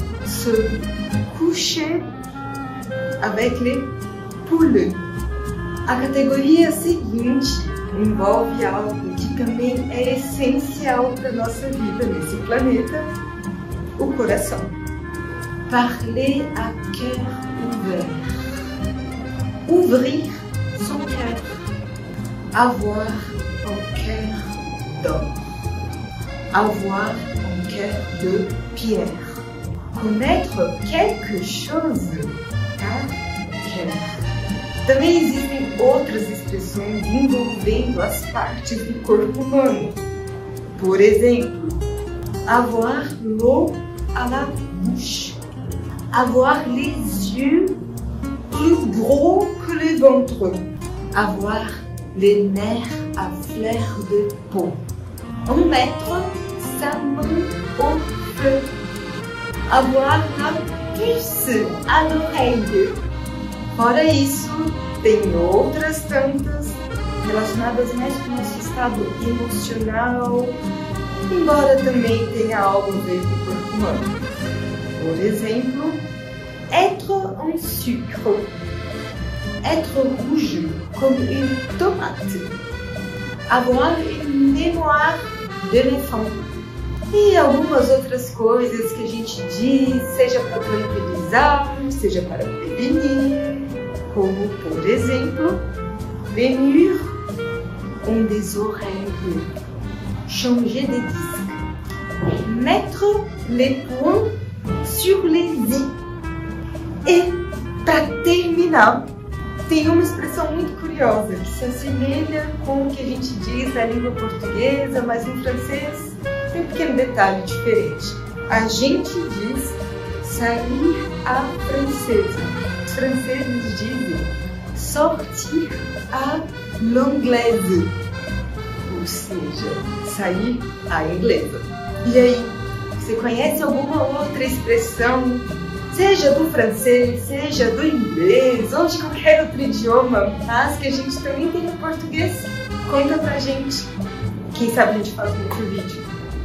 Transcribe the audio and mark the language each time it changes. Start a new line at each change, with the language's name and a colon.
French: Se coucher avec les poules.
Portuguese: A categoria seguinte envolve algo que também é essencial para a nossa vida nesse planeta. O coração.
French: Parler à cœur ouvert. Ouvrir son cœur. Avoir un cœur d'or. Avoir un cœur de pierre. Connaître quelque chose à cœur.
Portuguese: Também existem outras expressões envolvendo as partes do corpo humano. Por exemplo,
French: avoir l'eau à la bouche, avoir les yeux plus gros que le ventre, avoir les nerfs à fleur de peau, en mettre sa main au feu, avoir la puce à l'oreille.
Portuguese: Fora isso, tem outras tantas relacionadas mais com nosso estado emocional, embora também tenha algo a ver com o corpo humano. Por exemplo,
French: être en sucre. Être rouge comme une tomate. Avoir une mémoire d'éléphant.
Portuguese: E algumas outras coisas que a gente diz, seja para tranquilizar, seja para prevenir. Como, por exemplo,
French: venir en désordre. Changer de disque. Mettre les points sur les i.
Portuguese: E, para terminar, tem uma expressão muito curiosa que se assemelha com o que a gente diz na língua portuguesa, mas em francês tem um pequeno detalhe diferente. A gente diz sair à francesa. Os franceses dizem
French: sortir à l'anglaise.
Portuguese: Ou seja, sair à inglesa. E aí, você conhece alguma outra expressão, seja do francês, seja do inglês, ou de qualquer outro idioma, mas que a gente também tem no português? Conta pra gente. Quem sabe a gente faz um outro vídeo.